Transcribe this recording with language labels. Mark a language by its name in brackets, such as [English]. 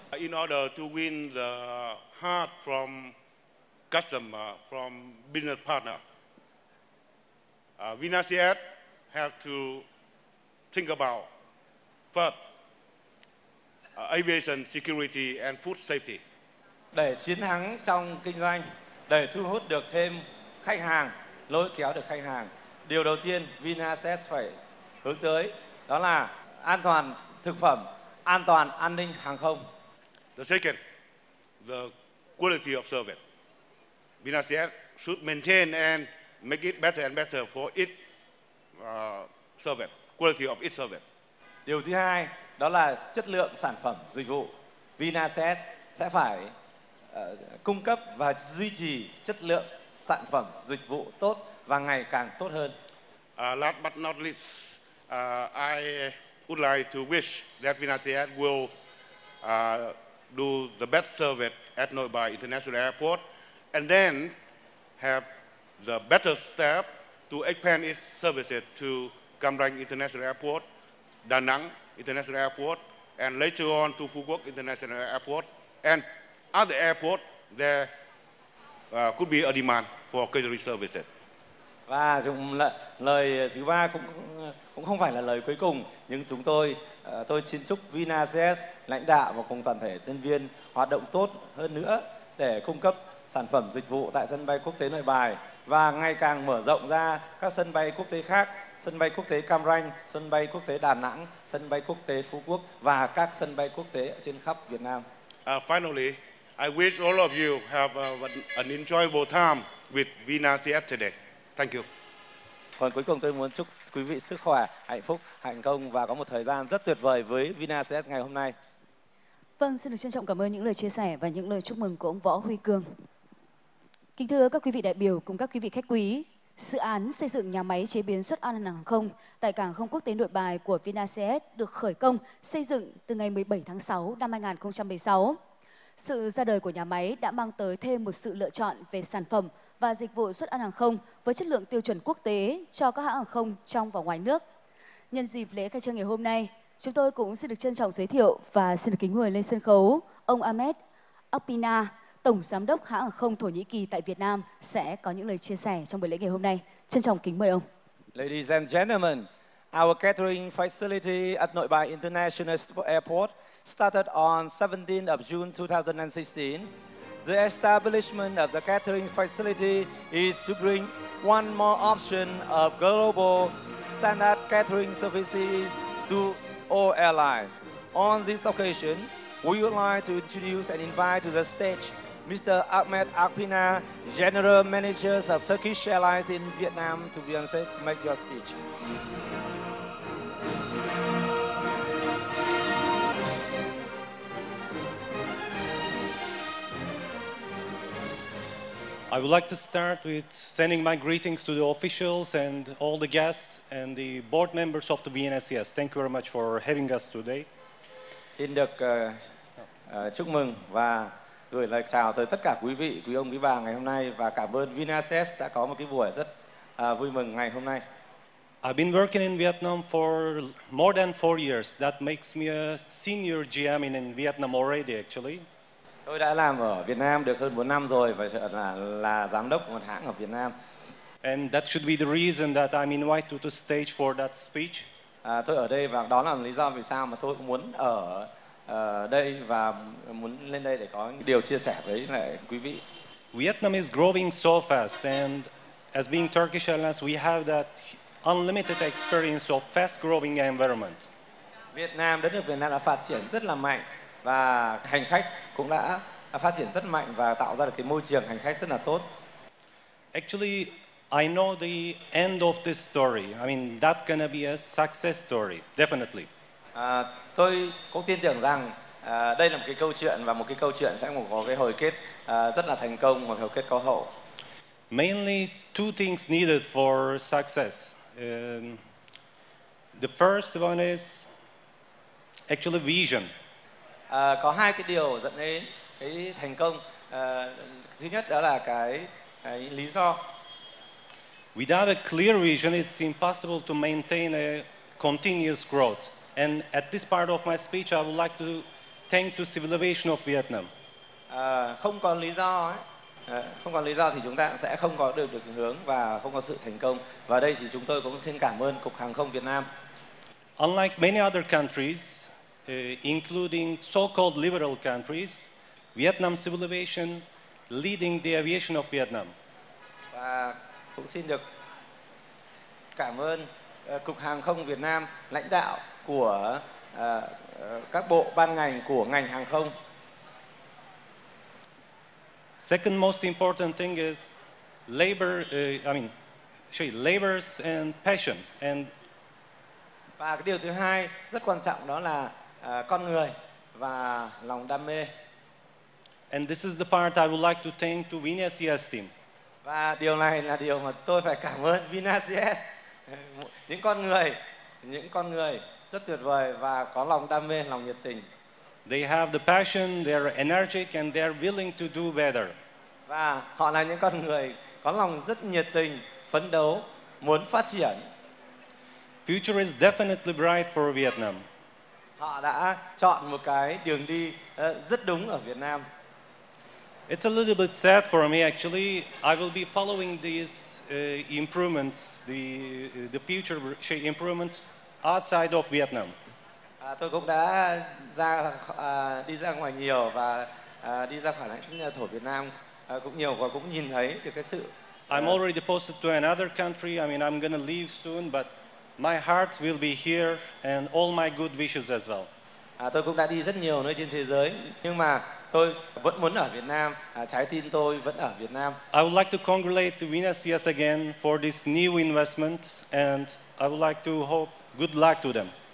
[English] In order to win the heart from customer, from business partner, VinaJet have to think about first aviation security and food safety. [Vietnamese] Để chiến thắng trong kinh doanh, để thu hút được thêm khách hàng, lôi kéo được khách hàng, điều đầu tiên VinaJet phải hướng tới đó là an toàn thực phẩm, an toàn an ninh hàng không. [English] The second, the quality of service. VinaJet should maintain and make it better and better for its service, quality of its service. [Vietnamese] Điều thứ hai đó là chất lượng sản phẩm dịch vụ. VinaJet sẽ phải cung cấp và duy trì chất lượng sản phẩm dịch vụ tốt và ngày càng tốt hơn. [English] Last but not least, I would like to wish that VinaJet will do the best service at Nội Bài International Airport and then have the better step to expand its services to Cam Ranh International Airport, Da Nang International Airport, and later on to Phú Quốc International Airport and other airports there could be a demand for catering services. [Vietnamese] Và dùng lời thứ ba cũng không phải là lời cuối cùng, nhưng chúng tôi xin chúc VinaJet lãnh đạo và cùng toàn thể nhân viên hoạt động tốt hơn nữa để cung cấp sản phẩm dịch vụ tại sân bay quốc tế Nội Bài và ngày càng mở rộng ra các sân bay quốc tế khác, sân bay quốc tế Cam Ranh, sân bay quốc tế Đà Nẵng, sân bay quốc tế Phú Quốc và các sân bay quốc tế trên khắp Việt Nam. [English] Finally, I wish all of you have an enjoyable time with VinaCS today. Thank you. [Vietnamese] Còn cuối cùng tôi muốn chúc quý vị sức khỏe, hạnh phúc, thành công và có một thời gian rất tuyệt vời với VinaCS ngày hôm nay. Vâng, xin được trân trọng cảm ơn những lời chia sẻ và những lời chúc mừng của ông Võ Huy Cường. Kính thưa các quý vị đại biểu cùng các quý vị khách quý, dự án xây dựng nhà máy chế biến suất ăn hàng không tại cảng không quốc tế Nội Bài của VinaCS được khởi công xây dựng từ ngày 17 tháng 6 năm 2016. Sự ra đời của nhà máy đã mang tới thêm một sự lựa chọn về sản phẩm và dịch vụ xuất ăn hàng không với chất lượng tiêu chuẩn quốc tế cho các hãng hàng không trong và ngoài nước. Nhân dịp lễ khai trương ngày hôm nay, chúng tôi cũng xin được trân trọng giới thiệu và xin được kính mời lên sân khấu ông Ahmet Akpina, Tổng Giám đốc hãng hàng không Thổ Nhĩ Kỳ tại Việt Nam sẽ có những lời chia sẻ trong buổi lễ ngày hôm nay. Trân trọng kính mời ông. [English] Ladies and gentlemen, our catering facility at Nội Bài International Airport started on 17th of June 2016. The establishment of the catering facility is to bring one more option of global standard catering services to all airlines. On this occasion, we would like to introduce and invite to the stage Mr. Ahmet Akpina, General Manager of Turkish Airlines in Vietnam, to be on stage to make your speech. I would like to start with sending my greetings to the officials and all the guests and the board members of the VNSCS. Thank you very much for having us today. [Vietnamese] Xin được chúc mừng và gửi lời chào tới tất cả quý vị, quý ông, quý bà ngày hôm nay và cảm ơn VNSCS đã có một cái buổi rất vui mừng ngày hôm nay. [English] I've been working in Vietnam for more than 4 years. That makes me a senior GM in Vietnam already, actually. [Vietnamese] Tôi đã làm ở Việt Nam được hơn 4 năm rồi và là giám đốc một hãng ở Việt Nam. [English] And that should be the reason that I'm invited to the stage for that speech. [Vietnamese] Tôi ở đây và đó là lý do vì sao mà tôi muốn ở đây và muốn lên đây để có những điều chia sẻ với lại quý vị. [English] Vietnam is growing so fast and as being Turkish Airlines, we have that unlimited experience of fast growing environment. [Vietnamese] Việt Nam, đất nước Việt Nam đã phát triển rất là mạnh. Và hành khách cũng đã phát triển rất mạnh và tạo ra được cái môi trường hành khách rất là tốt. [English] Actually, I know the end of this story. I mean, that's gonna be a success story, definitely. [Vietnamese] Tôi cũng tin tưởng rằng đây là một cái câu chuyện và một cái câu chuyện sẽ có cái hồi kết rất là thành công, một hồi kết có hậu. [English] Mainly two things needed for success. The first one is actually vision. [Vietnamese] Có hai cái điều dẫn đến cái thành công. Thứ nhất đó là cái lý do. [English] Without a clear vision, it's impossible to maintain a continuous growth. And at this part of my speech, I would like to thank to civilization of Vietnam. [Vietnamese] Không có lý do, không có lý do thì chúng ta sẽ không có được hướng và không có sự thành công. Và đây thì chúng tôi cũng xin cảm ơn Cục Hàng không Việt Nam. [English] Unlike many other countries, including so-called liberal countries, Vietnam Civil Aviation leading the aviation of Vietnam. [Vietnamese] Và cũng xin được cảm ơn Cục Hàng không Việt Nam, lãnh đạo của các bộ ban ngành của ngành hàng không. [English] Second most important thing is labor, labors and passion. And [Vietnamese] và cái điều thứ hai rất quan trọng đó là con người và lòng đam mê. [English] And this is the part I would like to thank to VinaCS team. [Vietnamese] Và điều này là điều mà tôi phải cảm ơn VinaCS. những con người rất tuyệt vời và có lòng đam mê, lòng nhiệt tình. [English] They have the passion, they're energetic and they're willing to do better. [Vietnamese] Và họ là những con người có lòng rất nhiệt tình, phấn đấu, muốn phát triển. [English] Future is definitely bright for Vietnam. [Vietnamese] Họ đã chọn một cái đường đi rất đúng ở Việt Nam. [English] It's a little bit sad for me actually. I will be following these improvements, the future improvements outside of Vietnam. [Vietnamese] Tôi cũng đã ra đi ra ngoài nhiều và đi ra khỏi lãnh thổ Việt Nam cũng nhiều và cũng nhìn thấy được cái sự. [English] I'm already posted to another country. I mean, I'm going to leave soon, but my heart will be here and all my good wishes as well. [Vietnamese] Tôi cũng đã đi rất nhiều nơi trên thế giới, nhưng mà tôi vẫn muốn ở Việt Nam. Trái tim tôi vẫn ở Việt Nam. [English] I would like to congratulate the Vinacs again for this new investment, and I would like to hope good luck to them.